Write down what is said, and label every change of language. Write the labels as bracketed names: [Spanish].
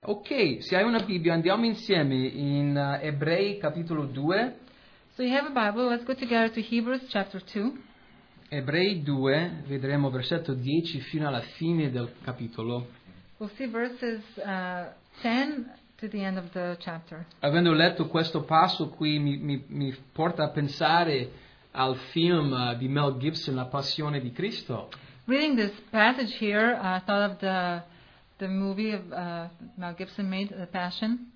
[Italian] Ok, se hai una Bibbia, andiamo insieme in Ebrei capitolo 2. [English] So you have a Bible, let's go together to Hebrews chapter 2. [Italian] Ebrei 2, vedremo versetto 10 fino alla fine del capitolo. [English] We'll see verses 10 to the end of the chapter. [Italian] Avendo letto questo passo qui mi porta a pensare al film di Mel Gibson, La Passione di Cristo. [English] Reading this passage here, I thought of the movie Mel Gibson made, The Passion.